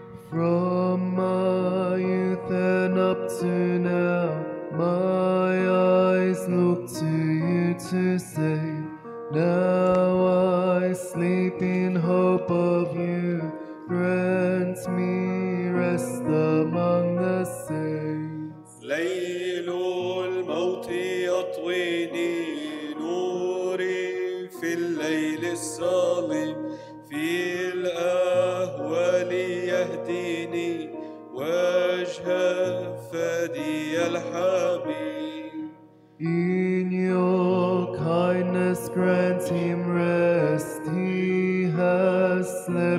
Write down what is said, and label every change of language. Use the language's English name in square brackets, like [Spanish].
[English] From my youth and up to now, my eyes look to you to say, now I sleep in hope of you. Grant me rest among the saints. [Arabic] ليل الموت يطويني نوري في الليل الظالم في الأهوال يهديني وجه فدي الحبيب. [English] In your kindness grant him rest, he has slept.